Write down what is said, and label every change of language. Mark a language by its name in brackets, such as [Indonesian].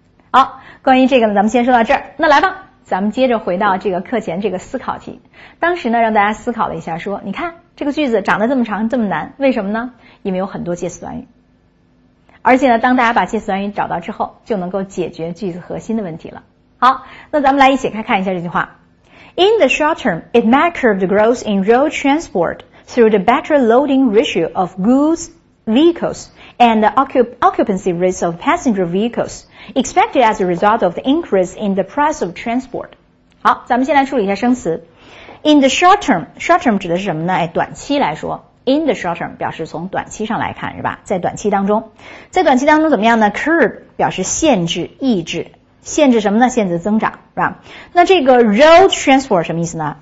[Chinese] 好，关于这个呢，咱们先说到这儿。那来吧，咱们接着回到这个课前这个思考题。当时呢，让大家思考了一下，说你看这个句子长得这么长这么难，为什么呢？因为有很多介词短语。而且呢，当大家把介词短语找到之后，就能够解决句子核心的问题了。好，那咱们来一起看一下这句话。 [English] In the short term, it might curb the growth in road transport through the better loading ratio of goods vehicles and the occupancy rates of passenger vehicles expected as a result of the increase in the price of transport. [Chinese] 好，咱们先来处理一下生词。 [English] In the short term, [Chinese] short term 指的是什么呢？哎，短期来说。 [English] In the short term [Chinese] 表示从短期上来看，是吧？在短期当中，在短期当中怎么样呢？ Curb 表示限制、抑制，限制什么呢？限制增长，是吧？那这个 road transport 什么意思呢？